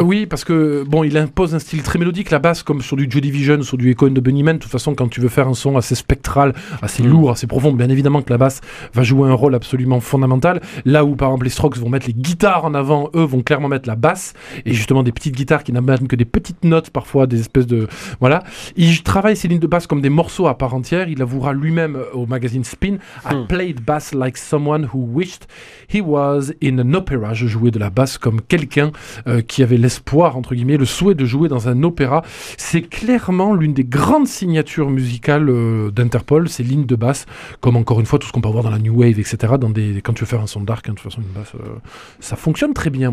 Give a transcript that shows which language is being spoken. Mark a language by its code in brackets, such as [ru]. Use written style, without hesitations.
[fr] Oui, parce que bon, il impose un style très mélodique, la basse, comme sur du Joy Division, sur du Echo and the Bunnymen. De toute façon, quand tu veux faire un son assez spectral, assez lourd, assez profond, bien évidemment que la basse va jouer un rôle absolument fondamental. Là où, par exemple, les Strokes vont mettre les guitares en avant, eux vont clairement mettre la basse, et justement des petites guitares qui n'amènent que des petites notes, parfois des espèces de... Voilà. Il travaille ses lignes de basse comme des morceaux à part entière. Il avouera lui-même au magazine Spin: [en] I played bass like someone who wished he was in an opera. [fr] Je jouais de la basse comme quelqu'un qui avait l'espoir, entre guillemets, le souhait de jouer dans un opéra. C'est clairement l'une des grandes signatures musicales d'Interpol, ces lignes de basse, comme encore une fois tout ce qu'on peut voir dans la New Wave, etc. Quand tu veux faire un son dark, hein, de toute façon, une basse, ça fonctionne très bien.